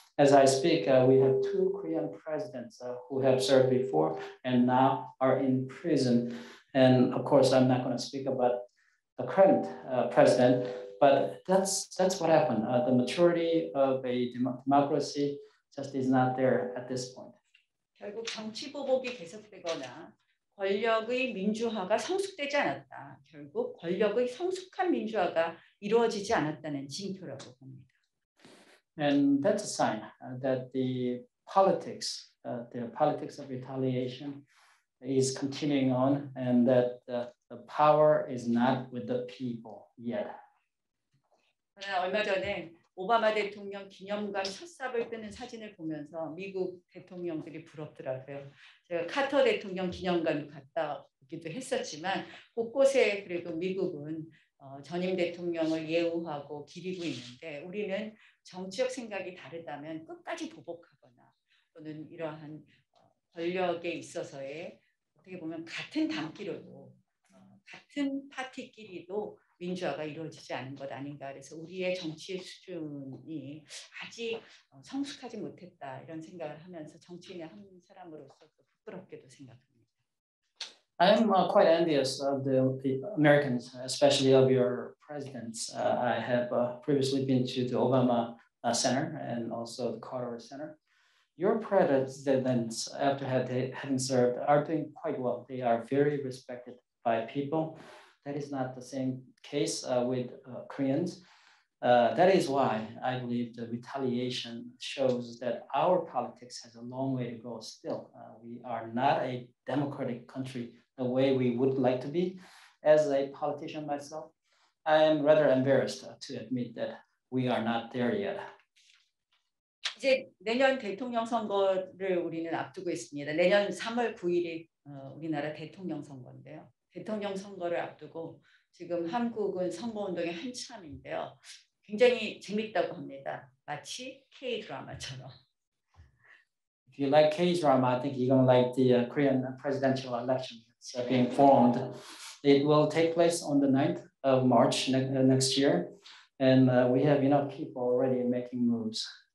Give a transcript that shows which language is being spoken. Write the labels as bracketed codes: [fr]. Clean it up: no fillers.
[en] As I speak, we have two Korean presidents who have served before and now are in prison. And of course, I'm not going to speak about the current president, but that's what happened. The maturity of a democracy just is not there at this point. [ko] 결국 정치 보복이 계속되거나 권력의 민주화가 성숙되지 않았다. 결국 권력의 성숙한 민주화가 이루어지지 않았다는 징표라고 봅니다. [en] And that's a sign that the politics of retaliation is continuing on, and that the power is not with the people yet. [ko] 얼마 전에 오바마 대통령 기념관 첫 삽을 뜨는 사진을 보면서 미국 대통령들이 부럽더라고요. 제가 카터 대통령 기념관 갔다 오기도 했었지만 곳곳에 그래도 미국은 전임 대통령을 예우하고 기리고 있는데, 우리는 정치적 생각이 다르다면 끝까지 보복하거나 또는 이러한 권력에 있어서의 어떻게 보면 같은 단끼로도 같은 파티끼리도 민주화가 이루어지지 않은 것 아닌가. 그래서 우리의 정치 수준이 아직 성숙하지 못했다, 이런 생각을 하면서 정치인의 한 사람으로서 부끄럽게도 생각합니다. [en] I am quite envious of the Americans, especially of your presidents. I have previously been to the Obama Center and also the Carter Center. Your presidents, after having served, are doing quite well. They are very respected by people. That is not the same case with Koreans. That is why I believe the retaliation shows that our politics has a long way to go still. We are not a democratic country the way we would like to be. As a politician myself, I am rather embarrassed to admit that we are not there yet. [ko] 이제 내년 대통령 선거를 우리는 앞두고 있습니다. 내년 3월 9일이 우리나라 대통령 선거인데요. 대통령 선거를 앞두고 지금 한국은 선거운동이 한참인데요. 굉장히 재밌다고 합니다. 마치 K-드라마처럼. [en] If you like K-drama, I think you're going to like the Korean presidential election that's being formed. It will take place on the 9th of March next year. And we have enough people already making moves.